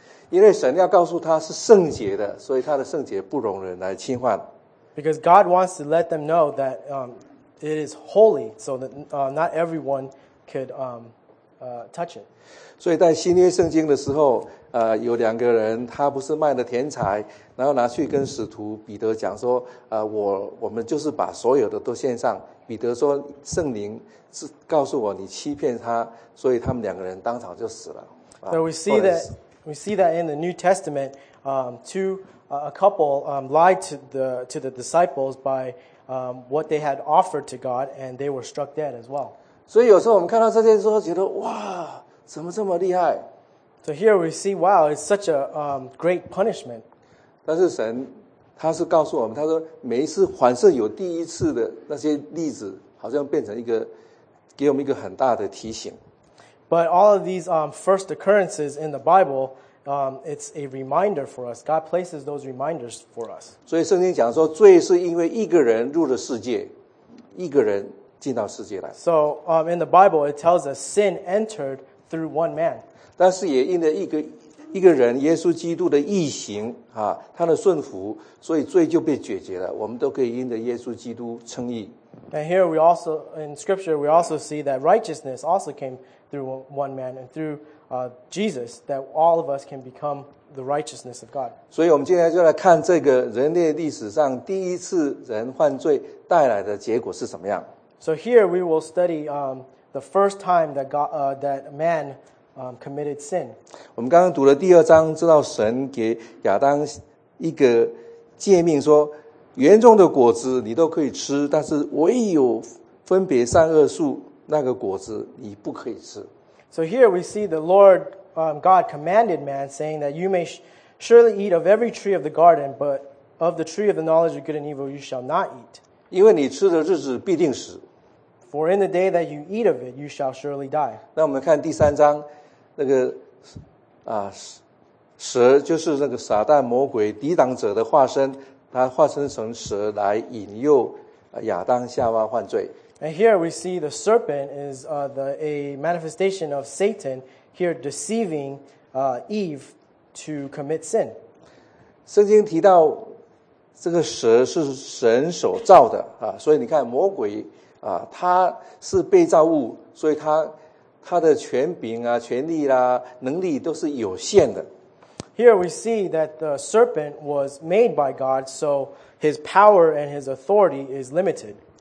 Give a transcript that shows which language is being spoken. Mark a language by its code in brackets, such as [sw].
[zh] 因为神要告诉他是圣洁的，所以他的圣洁不容人来侵犯。 [en] Because God wants to let them know that it is holy, so that not everyone could touch it. [zh] 所以在新约圣经的时候，有两个人，他不是卖了田财，然后拿去跟使徒彼得讲说，我们就是把所有的都献上。彼得说，圣灵是告诉我你欺骗他，所以他们两个人当场就死了。 [en] So we see that. We see that in the New Testament, a couple lied to the disciples by what they had offered to God, and they were struck dead as well. [zh] 所以有时候我们看到这件事，觉得哇，怎么这么厉害 [en] ？So here we see, wow, it's such a great punishment. [zh] 但是神他是告诉我们，他说每一次凡是有第一次的那些例子，好像变成一个给我们一个很大的提醒。 [en] But all of these first occurrences in the Bible, it's a reminder for us. God places those reminders for us. [zh] 所以圣经讲说，罪是因为一个人入了世界，一个人进到世界来。 [en] So in the Bible, it tells us sin entered through one man. [zh] 但是也因着一个人耶稣基督的义行啊，他的顺服，所以罪就被解决了。我们都可以因着耶稣基督称义。 [en] And here we also in Scripture we also see that righteousness also came. Through one man and through Jesus, that all of us can become the righteousness of God. [zh] 所以我们今天就来看这个人类历史上第一次人犯罪带来的结果是什么样。 [en] So here we will study the first time that God that man committed sin. [zh] 我们刚刚读了第二章，知道神给亚当一个诫命说，园中的果子你都可以吃，但是唯有分别善恶树。那个果子你不可以吃。 [en] So here we see the Lord God commanded man, saying that you may surely eat of every tree of the garden, but of the tree of the knowledge of good and evil you shall not eat. [zh] 因为你吃的日子必定死。 [en] For in the day that you eat of it, you shall surely die. [zh] 那我们看第三章，那个啊，蛇就是那个撒旦魔鬼抵挡者的化身，他化身成蛇来引诱亚当夏娃犯罪。 [en] And here we see the serpent is a manifestation of Satan here deceiving Eve to commit sin. [zh] 圣经提到这个蛇是神所造的啊，所以你看魔鬼啊，他是被造物，所以他的权柄啊、权力啦、能力都是有限的。 [en] Here we see that the serpent was made by God, so his power and his authority is limited.